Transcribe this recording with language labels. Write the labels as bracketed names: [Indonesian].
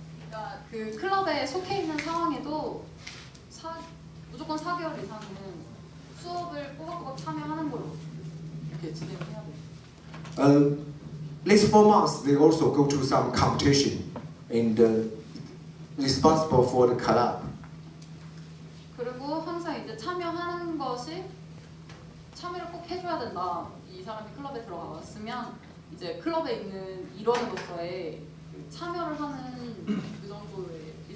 [Korean] 그러니까 그 클럽에 속해 있는 상황에도 무조건 4개월 이상은 [English] These 4 months, they also go to some competition in the responsible for the club. [Korean] 그리고 항상 이제 참여하는 것이 참여를 꼭 해줘야 된다. 이 사람이 클럽에 들어가 왔으면 이제 클럽에 있는 일원으로서의 참여를 하는 그 정도의.